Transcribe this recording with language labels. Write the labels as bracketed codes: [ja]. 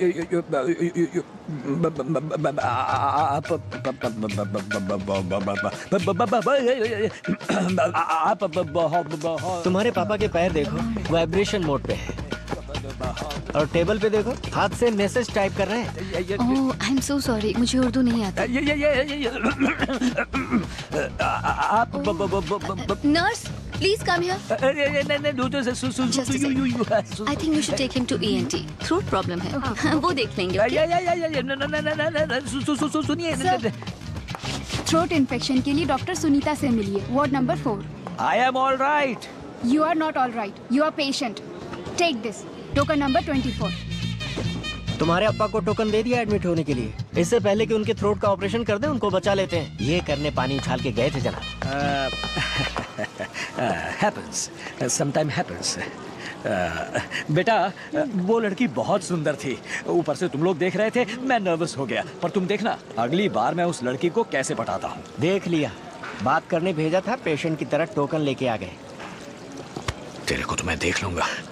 [hi] तुम्हारे पापा के पैर देखो, वाइब्रेशन मोड पे है, और टेबल पे देखो हाथ से मैसेज टाइप कर रहे हैं। [en] I am so sorry, [hi] मुझे उर्दू नहीं आता। आप nurse [en] please come here. I think you should take him to ENT. Throat problem [hi] है। वो देख लेंगे। सुनिए। [en] Throat infection [hi] के लिए डॉक्टर सुनीता से मिलिए। [en] Ward number 4. I am all right. You are not all right. You are patient. Take this. Token number 24. [hi] तुम्हारे अप्पा को टोकन दे दिया एडमिट होने के लिए, इससे पहले कि उनके थ्रोट का ऑपरेशन कर दे उनको बचा लेते हैं। ये करने पानी उछाल के गए थे जनाब। [en] happens, sometime happens. [hi] बेटा वो लड़की बहुत सुंदर थी, ऊपर से तुम लोग देख रहे थे, मैं नर्वस हो गया, पर तुम देखना अगली बार मैं उस लड़की को कैसे पटाता हूँ। देख लिया, बात करने भेजा था, पेशेंट की तरह टोकन लेके आ गए। तेरे को तो मैं देख लूंगा।